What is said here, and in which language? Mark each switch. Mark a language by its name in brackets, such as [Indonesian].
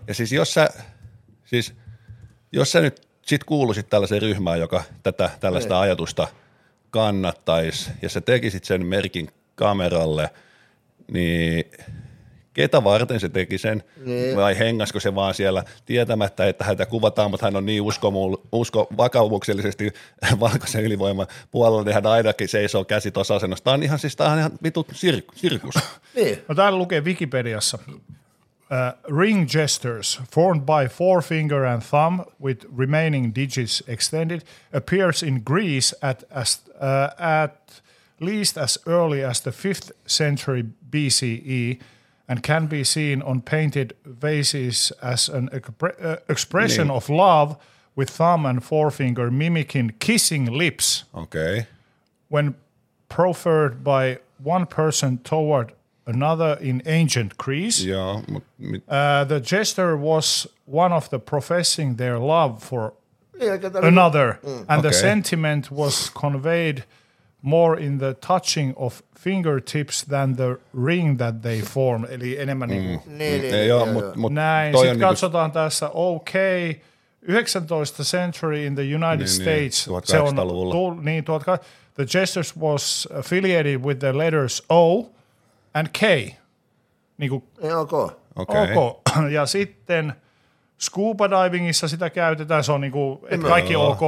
[Finnish] Ja siis jos sä nyt sit kuulisit tällaiseen ryhmään, joka tällaista ei ajatusta kannattaisi, ja sä tekisit sen merkin kameralle, niin ketä varten se teki sen, niin, vai hengasko se vaan siellä tietämättä, että häntä kuvataan, mutta hän on niin vakaumuksellisesti valkoisen ylivoiman puolella, niin hän ainakin seisoo käsi tuossa asennossa. Tämä on ihan vitut sirkus. Niin. No, täällä lukee Wikipediassa. [English] ring gestures formed by forefinger and thumb with remaining digits extended appears in Greece at least as early as the 5th century BCE and can be seen on painted vases as an expression of love with thumb and forefinger mimicking kissing lips. Okay. When proffered by one person toward another in ancient Greece, the gesture was one of the professing their love for another, and the sentiment was conveyed more in the touching of fingertips than the ring that they form. [Finnish] Eli enemmän niin. Katsotaan tässä, [English] okay, 19th century in the United States. [Finnish] Niin, 1800-luvulla. Se on niin, [English] the gestures was affiliated with the letters O and K. [Finnish] Niin kuin, [English] okay. [Finnish] Ja sitten scuba divingissa sitä käytetään, se on niinku, että kaikki ok.